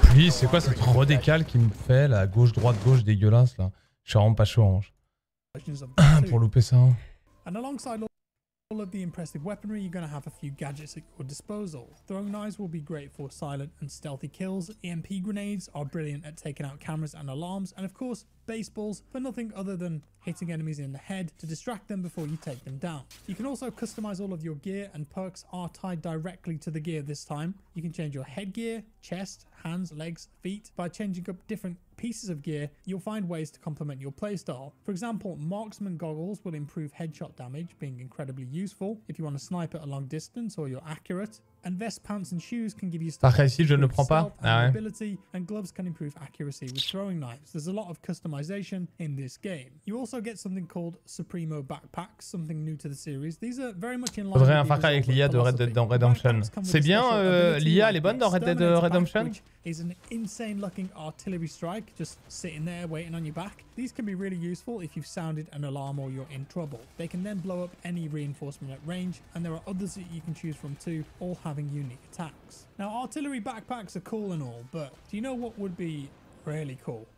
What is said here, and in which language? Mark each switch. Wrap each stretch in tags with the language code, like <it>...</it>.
<fr>C'est quoi cette redécale qui me fait la gauche droite gauche dégueulasse là? Je suis vraiment pas chaud, Ange. Pour louper ça.</fr> <en>And alongside all of the impressive weaponry, you're gonna have a few gadgets at your disposal. Throwing knives will be great for silent and stealthy kills. EMP grenades are brilliant at taking out cameras and alarms. And of course, baseballs for nothing other than hitting enemies in the head to distract them before you take them down. You can also customize all of your gear, and perks are tied directly to the gear this time. You can change your headgear, chest, hands, legs, feet. By changing up different pieces of gear, you'll find ways to complement your playstyle. For example, marksman goggles will improve headshot damage, being incredibly useful if you want to snipe at a long distance or you're accurate. And vest pants and shoes can give you stability, and gloves can improve accuracy with throwing knives. There's a lot of customization in this game. You also get something called Supremo backpacks, something new to the series. These are very much in line.</en> <fr>Faudrait un Far Cry avec l'IA de Red Dead Redemption. C'est bien, l'IA elle est bonne dans Red Dead Redemption.</fr> <en>Is an insane looking artillery strike, just sitting there waiting on your back. These can be really useful if you've sounded an alarm or you're in trouble. They can then blow up any reinforcement at range, and there are others that you can choose from too, all having unique attacks. Now, artillery backpacks are cool and all, but do you know what would be really cool?</en>